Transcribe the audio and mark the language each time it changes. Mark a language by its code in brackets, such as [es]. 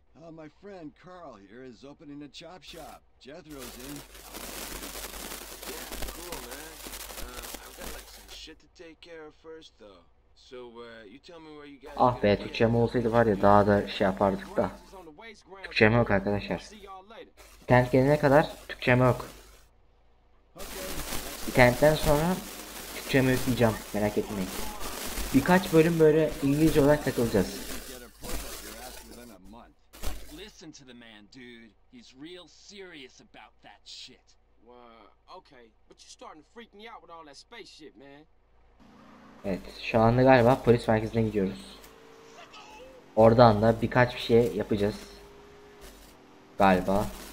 [en] My friend Carl here is opening a chop shop. Jethro's in. Yeah, cool, man. I've got like some shit to take care of first though. So, you tell me where you guys. [tr] Ah be, Türkçem olsaydı var ya, daha da şey yapardık da. Türkçem yok arkadaşlar. Tent gelene kadar Türkçem yok. Tentten sonra Türkçem yükleyeceğim, merak etmeyin. Birkaç bölüm böyle İngilizce olarak takılacağız. [en] Listen to the man, dude. He's real serious about that shit. Well, okay, but you're starting to freak me out with all that spaceship, man. [tr] Evet, şu anda galiba polis merkezine gidiyoruz. Oradan da birkaç bir şey yapacağız. Galiba.